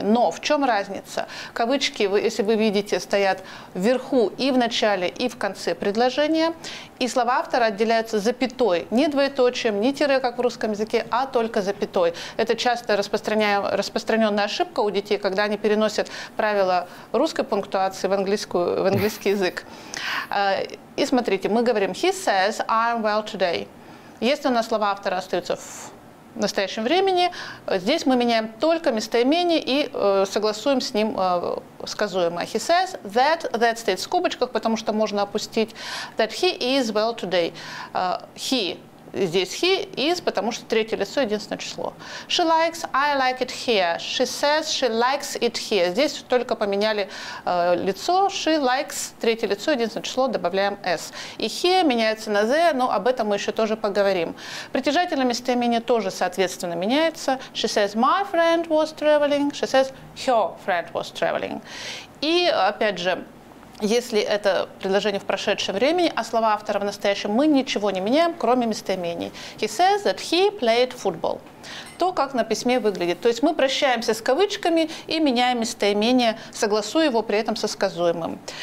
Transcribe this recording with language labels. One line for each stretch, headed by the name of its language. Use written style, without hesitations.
Russian: Но в чем разница? Кавычки, если вы видите, стоят вверху и в начале, и в конце предложения. И слова автора отделяются запятой, не двоеточием, не тире, как в русском языке, а только запятой. Это часто распространенная ошибка у детей, когда они переносят правила русской пунктуации в английский язык. И смотрите, мы говорим
English: «He says I'm well today».
Russian: Если у нас слова автора остаются в настоящем времени, здесь мы меняем только местоимение и согласуем с ним сказуемое.
English: «He says that» – «that»
Russian: стоит в скобочках, потому что можно опустить
English: «that he is well today».
Russian: «He» – здесь
English: «he is»,
Russian: потому что третье лицо – единственное число.
English: «She likes» – «I like it here». «She says she likes it here».
Russian: Здесь только поменяли лицо.
English: «She likes»
Russian: – третье лицо – единственное число, добавляем «s». И «here» меняется на «z», но об этом мы еще тоже поговорим. Притяжательное местоимение тоже, соответственно, меняется.
English: «She says my friend was traveling». «She says her friend was traveling».
Russian: И, опять же, если это предложение в прошедшем времени, а слова автора в настоящем, мы ничего не меняем, кроме местоимений.
English: He says that he played football.
Russian: То, как на письме выглядит. То есть мы прощаемся с кавычками и меняем местоимение, согласуя его при этом со сказуемым.